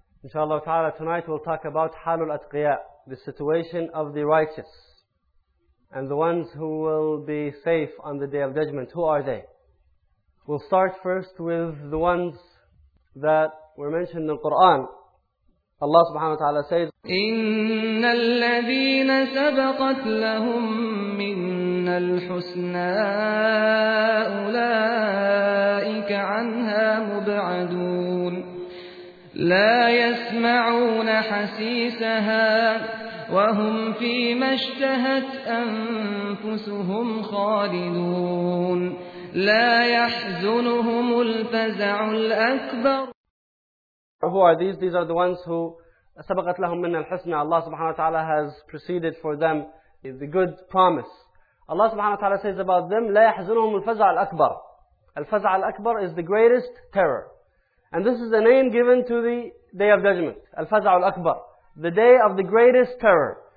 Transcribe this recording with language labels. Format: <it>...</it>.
<en>Inshallah ta'ala, tonight we'll talk about halul atqiya, the situation of the righteous and the ones who will be safe on the Day of Judgment. Who are they? We'll start first with the ones that were mentioned in the Quran. Allah subhanahu wa ta'ala says,</en> <ar>إِنَّ الَّذِينَ سَبَقَتْ لَهُمْ مِنَّ الْحُسْنَى أُولَٰئِكَ عَنْهَا مُبْعَدُونَ لا يسمعون حسيسها وهم فيما اشتهت أنفسهم خالدون لا يحزنهم الفزع الأكبر.</ar> <en>Who are these? These are the ones who</en> <ar>سبقت لهم من الحسنى.</ar> <en>Allah subhanahu wa ta'ala has preceded for them the good promise. Allah subhanahu wa ta'ala says about them,</en> <ar>لا يحزنهم الفزع الأكبر. الفزع الأكبر</ar> <en>is the greatest terror. And this is the name given to the Day of Judgment, Al-Faza' al-Akbar, the day of the greatest terror.</en>